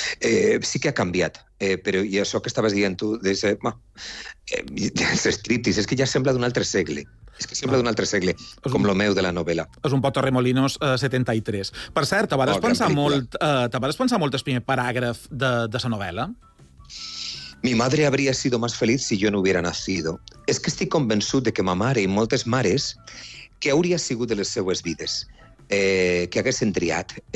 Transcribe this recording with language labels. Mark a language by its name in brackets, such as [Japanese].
[Catalan] Sí que ha canviat. Però i això que estaves dient tu, els estriptis, és que ja sembla d'un altre segle. És que sembla d'un altre segle, com el meu de la novel·la. És un poc Torremolinos 73. Per cert, te vas pensar molt el primer paràgraf de la novel·la? [Spanish] Mi madre habría sido más feliz si yo no hubiera nacido. [Catalan] És que estic convençut de que ma mare i moltes mares que hauria sigut de les seues vides, que haguessin triat...